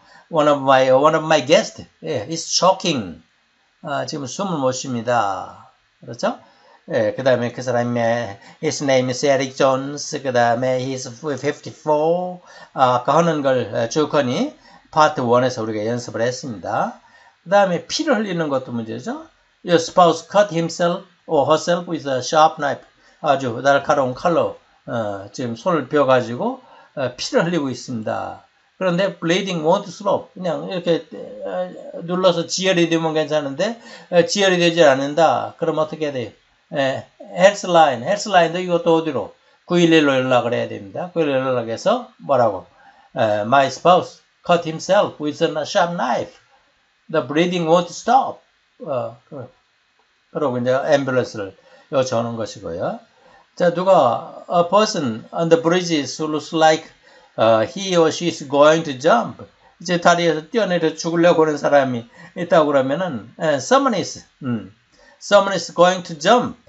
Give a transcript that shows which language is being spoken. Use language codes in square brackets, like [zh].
[en] One of my guests is choking. [ko] 지금 숨을 못 쉽니다. 그렇죠? 예, 그 다음에 그 사람의 [en] His name is Eric Jones. [ko] 그 다음에 [en] He's 54. [ko] 아까 하는 걸 주거니 파트 1에서 우리가 연습을 했습니다. 그 다음에 피를 흘리는 것도 문제죠. [en] Your spouse cut himself or herself with a sharp knife. [ko] 아주 날카로운 칼로 지금 손을 베어가지고 피를 흘리고 있습니다. 그런데 [en] bleeding won't stop. [ko] 그냥 이렇게 눌러서 지혈이 되면 괜찮은데 지혈이 되지 않는다. 그럼 어떻게 해야 돼요? 예, 헬스라인도 이것도 어디로? 911로 연락을 해야 됩니다. 911로 연락해서 뭐라고? [en] My spouse cut himself with a sharp knife. The bleeding won't stop. [ko] 그러고 이제 앰뷸런스를 요청하는 것이고요. 자, 누가, [en] a person on the bridge looks like he or she is going to jump. [ko] 이제 다리에서 뛰어내려 죽으려고 하는 사람이 있다고 그러면은, [en] someone is going to jump.